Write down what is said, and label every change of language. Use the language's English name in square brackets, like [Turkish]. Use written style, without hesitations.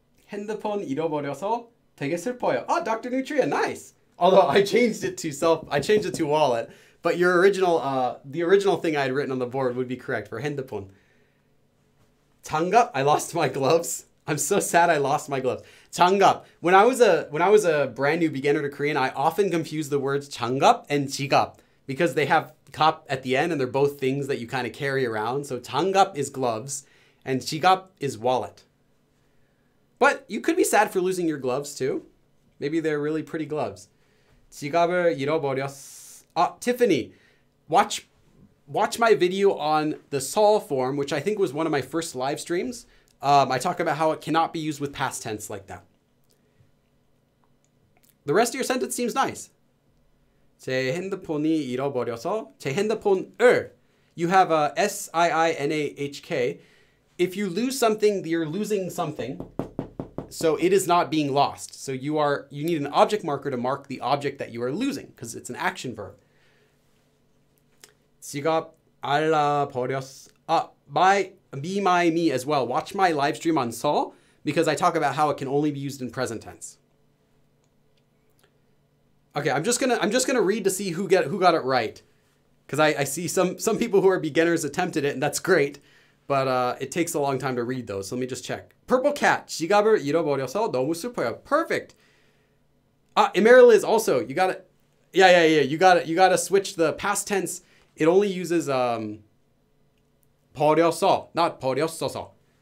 [Korean] 핸드폰 잃어버려서 되게 슬퍼요. [English] Oh, Dr. Nutria, nice. Although I changed it to wallet. But your original, the original thing I had written on the board would be correct for 핸드폰. 장갑, I lost my gloves. I'm so sad I lost my gloves. 장갑, when I was a brand new beginner to Korean, I often confuse the words 장갑 and 지갑 because they have 갑 at the end and they're both things that you kind of carry around. So 장갑 is gloves and 지갑 is wallet. But you could be sad for losing your gloves too. Maybe they're really pretty gloves. [Korean] 지갑을 잃어버렸어. [English] Tiffany, watch my video on the Saul form, which I think was one of my first live streams. I talk about how it cannot be used with past tense like that. The rest of your sentence seems nice. [Korean] 제 핸드폰이 잃어버려서 제 핸드폰을. [English] You have a S-I-I-N-A-H-K. If you lose something, you're losing something. So it is not being lost. So you need an object marker to mark the object that you are losing because it's an action verb. [Korean] 지갑 알라 버렸어. [English] Me as well. Watch my live stream on Seoul because I talk about how it can only be used in present tense. Okay, I'm just gonna read to see who got it right. Because I see some people who are beginners attempted it and that's great. But it takes a long time to read those. So let me just check. Purple cat. [Korean] 지갑을 잃어버려서 너무 슬퍼요. [English] Perfect. Emeryliz also. You got it. Yeah. You got to switch the past tense. It only uses 버렸어, not 버렸어서.